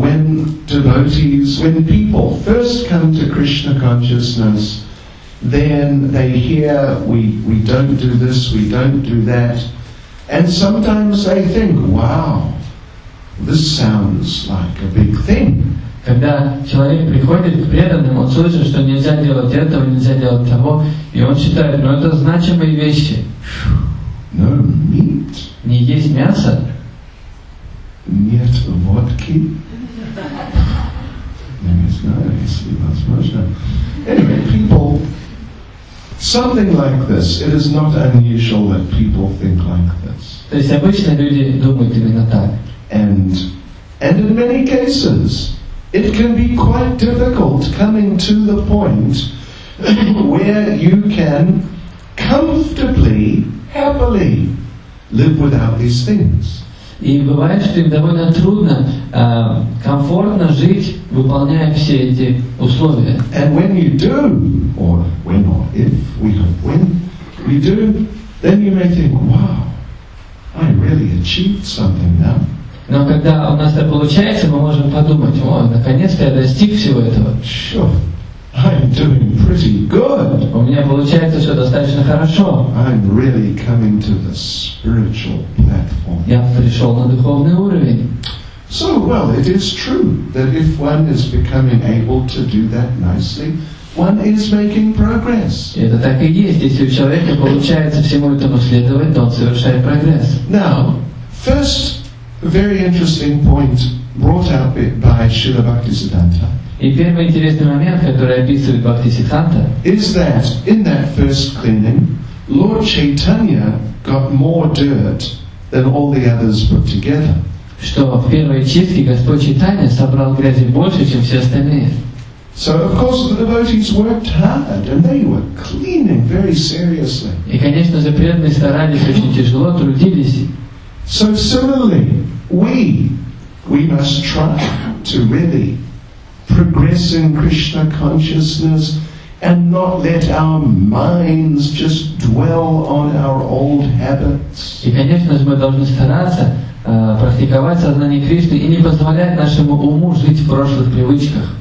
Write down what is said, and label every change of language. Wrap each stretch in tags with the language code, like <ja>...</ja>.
<en>When devotees, when people first come to Krishna consciousness, then they hear we don't do this, we don't do that, and sometimes they think, wow, this sounds like a big thing.</en> <ru>Когда человек приходит к преданным, он слышит, что нельзя делать этого, нельзя делать того, и он считает, ну это значимые вещи.</ru> <en>No meat.</en> <ru>Не есть мясо? Нет водки? Я не знаю, если возможно.</ru> <en>Anyway, people, something like this, it is not unusual that people think like this.</en> <ru>То есть обычно люди думают именно так.</ru> <en>And in many cases, it can be quite difficult coming to the point where you can comfortably, happily live without these things.</en> <ru>И бывает, что им довольно трудно комфортно жить, выполняя все эти условия.</ru> <en>And when you do, or when or if we hope when we do, then you may think, wow, I really achieved something now.</en> <ru>Но когда у нас это получается, мы можем подумать, о, наконец-то я достиг всего этого.</ru> <en>Sure. I'm doing pretty good.</en> <ru>У меня получается все достаточно хорошо.</ru> <en>I'm really coming to the spiritual platform.</en> <ru>Я пришел на духовный уровень.</ru> <en>So, well, it is true that if one is becoming able to do that nicely, one is making progress.</en> <ru>Это так и есть. Если у человека получается всему этому следовать, то он совершает прогресс.</ru> <en>Now, first, very interesting point brought out by Srila Bhaktisiddhanta.</en> <ru>И первый интересный момент, который описывает Бхактисиддханта,</ru> <en>is that in that first cleaning, Lord Chaitanya got more dirt than all the others put together.</en> <ru>Что в первой чистке Господь Чайтанья собрал грязи больше, чем все остальные.</ru> <en>So of course the devotees worked hard and they were cleaning very seriously.</en> <ru>И конечно же преданные старались очень тяжело, трудились.</ru> <en>So similarly, we must try to really progress in Krishna consciousness and not let our minds just dwell on our old habits.</en> <ru>И, конечно же, мы должны стараться практиковать сознание Кришны и не позволять нашему уму жить в прошлых привычках.</ru>